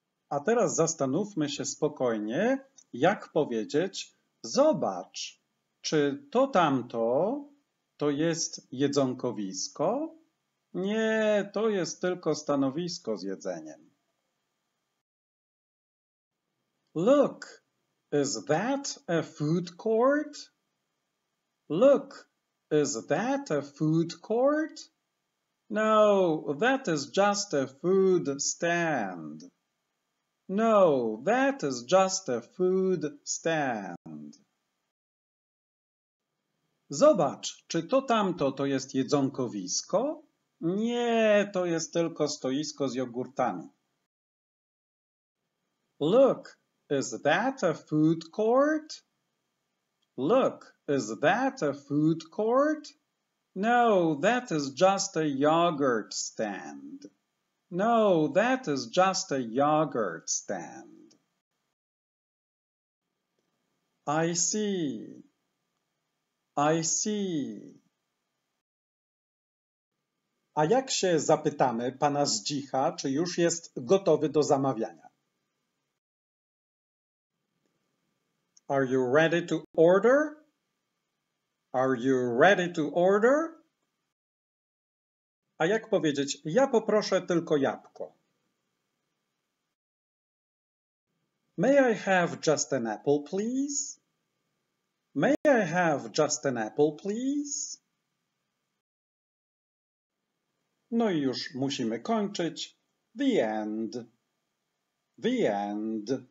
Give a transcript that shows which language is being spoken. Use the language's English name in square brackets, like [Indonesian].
[Polish] A teraz zastanówmy się spokojnie, jak powiedzieć zobacz. Czy to tamto to jest jedzonkowisko? Nie, to jest tylko stanowisko z jedzeniem. [English] Look, is that a food court? Look, is that a food court? No, that is just a food stand. No, that is just a food stand. [Polish] Zobacz, czy to tamto to jest jedzonkowisko? Nie, to jest tylko stoisko z jogurtami. [English] Look, is that a food court? Look, is that a food court? No, that is just a yogurt stand. No, that is just a yogurt stand. I see. I see. [Polish] A jak się zapytamy pana Zdzicha, czy już jest gotowy do zamawiania? [English] Are you ready to order? Are you ready to order? [Polish] A jak powiedzieć, ja poproszę tylko jabłko? [English] May I have just an apple, please? May I have just an apple, please? [Polish] No i już musimy kończyć. [English] The end. The end.